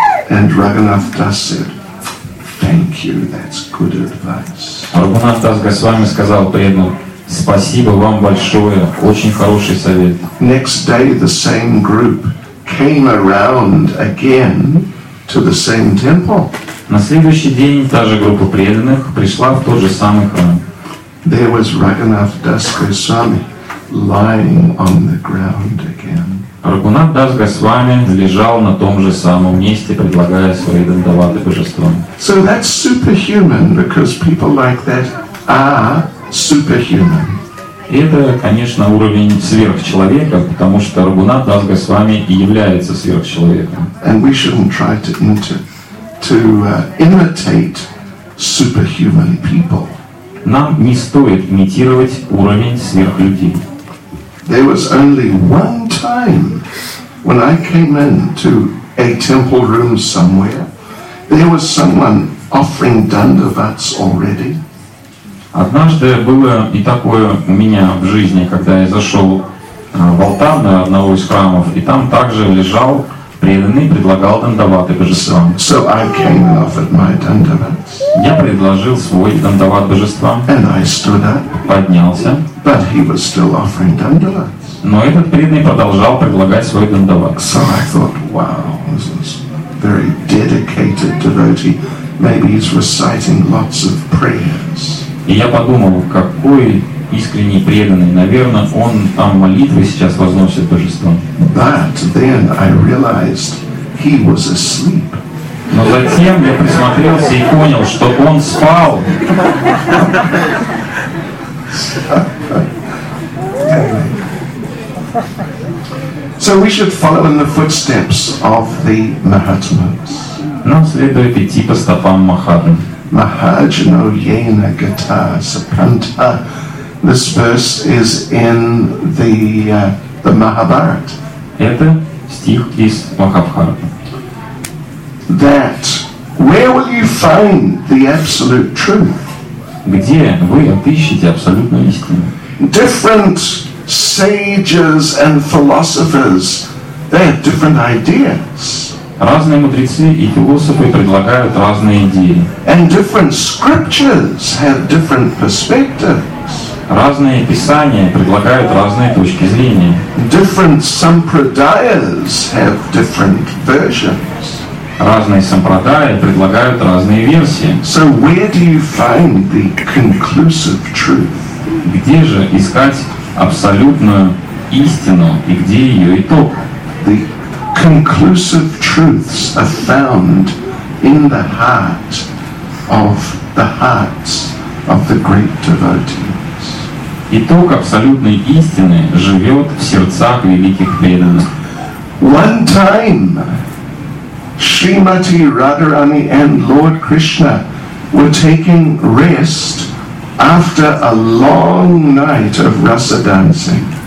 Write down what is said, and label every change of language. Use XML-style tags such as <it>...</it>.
<en>And Raghunath Das said, thank you, that's good advice.</en> <ru>Рагхунатх Дас Госвами сказал преданным, спасибо вам большое, очень хороший совет.</ru> <en>Next day the same group came around again to the same temple.</en> <ru>На следующий день та же группа преданных пришла в тот же самый храм.</ru> <en>There was Raghunath Das Goswami lying on the ground again.</en> <ru>Рагхунатх Дас Госвами лежал на том же самом месте, предлагая свои дандаваты божествам.</ru> <en>So that's superhuman because people like that are superhuman.</en> <ru>Это, конечно, уровень сверхчеловека, потому что Рагхунатх Дас Госвами и является сверхчеловеком.</ru> <en>And we shouldn't try to imitate superhuman people.</en> <ru>Нам не стоит имитировать уровень сверхлюдей.</ru> <en>There was only one time when I came into a temple room somewhere, there was someone offering dandavats already.</en> <ru>Однажды было и такое у меня в жизни, когда я зашел в алтарь на одного из храмов, и там также лежал преданный, предлагал дандаваты божествам.</ru> <en>So I came and offered my dandavats.</en> <ru>Я предложил свой дандават божествам.</ru> <en>And I stood up.</en> <ru>Поднялся.</ru> <en>But he was still offering dandavats.</en> <ru>Но этот преданный продолжал предлагать свой дандават.</ru> <en>So I thought, wow, this is very dedicated devotee. Maybe he's reciting lots of prayers.</en> <ru>И я подумал, какой искренний преданный, наверное, он там молитвы сейчас возносит божеством.</ru> <en>But then I realized he was asleep.</en> <ru>Но затем я присмотрелся и понял, что он спал.</ru> <en>So we should follow in the footsteps of the Mahatmas.</en> <ru>Нам следует идти по стопам Махатм.</ru> <sa>Mahajano yena gata sapanta.</sa> <en>This verse is in the Mahabharata.</en> <ru>Это стих из Махабхараты.</ru> <en>That where will you find the absolute truth?</en> <ru>Где вы отыщете абсолютную истину?</ru> <en>Different sages and philosophers, they have different ideas.</en> <ru>Разные мудрецы и философы предлагают разные идеи.</ru> <en>And different scriptures have different perspectives.</en> <ru>Разные писания предлагают разные точки зрения.</ru> <en>Different sampradayas have different versions.</en> <ru>Разные сампрадаи предлагают разные версии.</ru> <en>So where do you find the conclusive truth?</en> <ru>Где же искать абсолютную истину и где ее итог?</ru> <en>The conclusive truths are found in the heart of the hearts of the great devotees.</en> <ru>Итог абсолютной истины живет в сердцах великих преданных.</ru> <en>One time, Shrimati Radharani and Lord Krishna were taking rest after a long night of rasa dancing.</en>